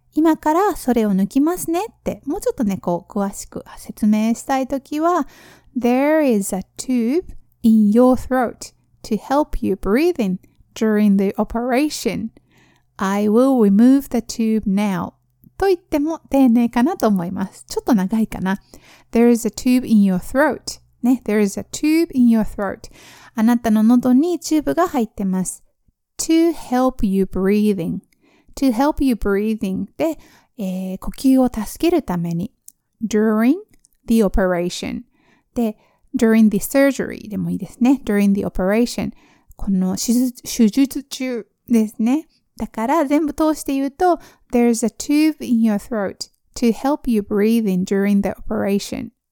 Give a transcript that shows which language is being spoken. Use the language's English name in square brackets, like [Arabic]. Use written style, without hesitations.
[Japanese] 今からそれを抜きますねって、もうちょっとね、こう、詳しく説明したいときは、 [English] There is a tube in your throat to help you breathing during the operation. I will remove the tube now. [Japanese] と言っても丁寧かなと思います。ちょっと長いかな。 [English] There is a tube in your throat. ね、There is a tube in your throat. [Japanese] あなたの喉にチューブが入ってます。 [English] To help you breathing. To help you breathing [Japanese] で、呼吸を助けるために [English] during the operation で during the surgery [Japanese] でもいいですね [English] during the operation [Japanese] この手術中ですねだから全部通して言うと [English] there's a tube in your throat to help you breathing during the operation